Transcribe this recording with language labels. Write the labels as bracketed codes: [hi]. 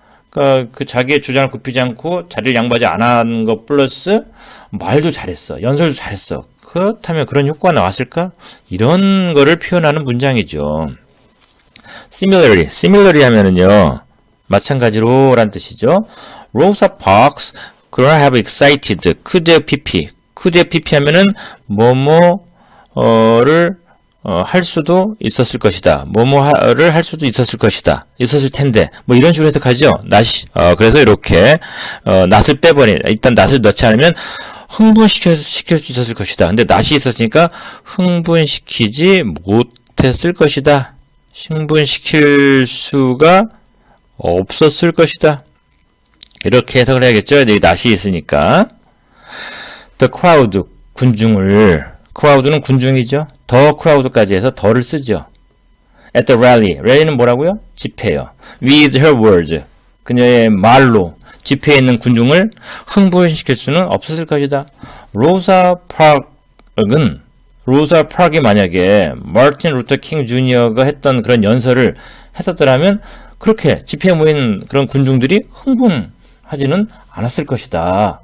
[ko] 그 자기의 주장을 굽히지 않고 자리를 양보하지 않은 것 플러스 말도 잘했어. 연설도 잘했어. 그렇다면 그런 효과가 나왔을까? 이런 거를 표현하는 문장이죠. [en] Similarly [ko] 하면은요. 마찬가지로 란 뜻이죠. [en] Rosa Parks could have excited, could have PP. could have PP [ko] 하면은 뭐뭐를 할 수도 있었을 것이다. 뭐뭐를 할 수도 있었을 것이다. 있었을 텐데. 뭐 이런 식으로 해석하죠. 그래서 이렇게 not을 빼버린. 일단 not을 넣지 않으면 흥분시킬 수 있었을 것이다. 근데 not이 있었으니까 흥분시키지 못했을 것이다. 흥분시킬 수가 없었을 것이다. 이렇게 해석을 해야겠죠. 여기 not이 있으니까. [en] The crowd, [ko] 군중을. crowd는 군중이죠. [en] the crowd [ko] 까지 해서 the를 쓰죠. [en] at the rally. [ko] rally는 뭐라고요? 집회요. [en] with her words. [ko] 그녀의 말로 집회에 있는 군중을 흥분시킬 수는 없었을 것이다. Rosa Parks은 Rosa Parks이 만약에 Martin Luther King Jr.가 했던 그런 연설을 했었더라면 그렇게 집회에 모인 그런 군중들이 흥분하지는 않았을 것이다.